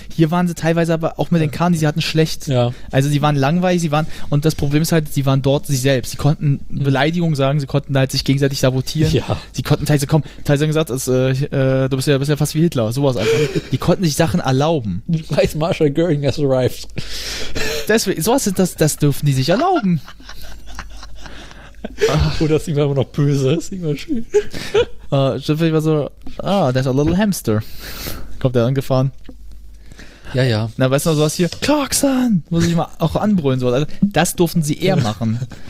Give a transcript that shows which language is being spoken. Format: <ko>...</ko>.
<de>Hier waren sie teilweise aber auch mit den Karren, die sie hatten, schlecht. Ja. Also, die waren langweilig, sie waren. Und das Problem ist halt, sie waren dort sie selbst. Sie konnten Beleidigungen sagen, sie konnten halt sich gegenseitig sabotieren. Ja. Sie konnten teilweise, komm, teilweise haben gesagt, du bist ja fast wie Hitler, sowas einfach. Die konnten sich Sachen erlauben. Weiß Marshall Göring</de> <en>has arrived.</en> <de>Deswegen, sowas ist das, das dürfen die sich erlauben. Ach. Oh, das ist immer noch böse. Das ist immer schön. Schiffig war so,</de> <en>there's a little hamster.</en> <de>Kommt der angefahren. Ja, ja. Na, weißt du, sowas hier, Clarkson, muss ich mal auch anbrüllen. So. Also, das durften sie eher machen.</de>